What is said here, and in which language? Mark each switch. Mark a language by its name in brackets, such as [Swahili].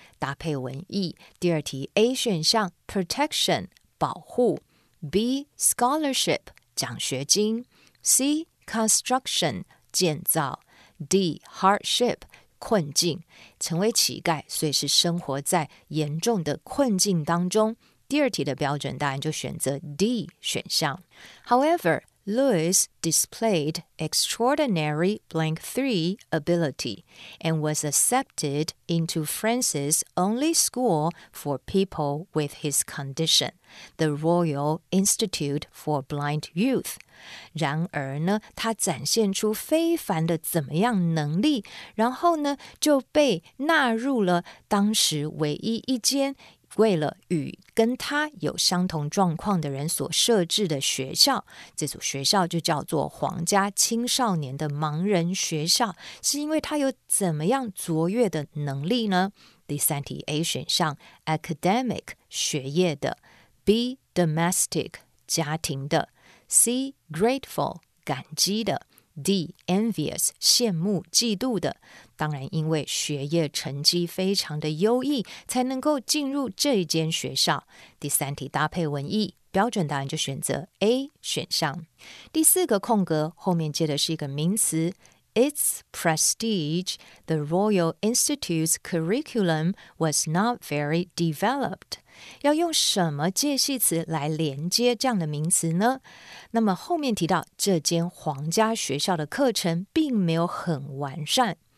[Chinese] 搭配文意，第二题 A 选项 protection 保护 ，B scholarship 奖学金 ，C construction。建造 D hardship 困境，成为乞丐，所以是生活在严重的困境当中。第二题的标准答案就选择 D 选项。 [English] However, Lewis displayed extraordinary blank 3 ability and was accepted into France's only school for people with his condition, the Royal Institute for Blind Youth. [Chinese] 然而呢，他展现出非凡的怎么样能力，然后呢，就被纳入了当时唯一一间为了与跟他有相同状况的人所设置的学校，这所学校就叫做皇家青少年的盲人学校，是因为他有怎么样卓越的能力呢？第三题 A 选项 academic 学业的 ，B domestic 家庭的 ，C grateful 感激的。D. Envious, 羡慕、嫉妒的，当然因为学业成绩非常的优异，才能够进入这间学校。第三题搭配文意，标准答案就选择 A 选项。第四个空格，后面接的是一个名词 [English] Its prestige, the Royal Institute's curriculum was not very developed. [Chinese] 要用什么介系词来连接这样的名词呢？那么后面提到这间皇家学校的课程并没有很完善。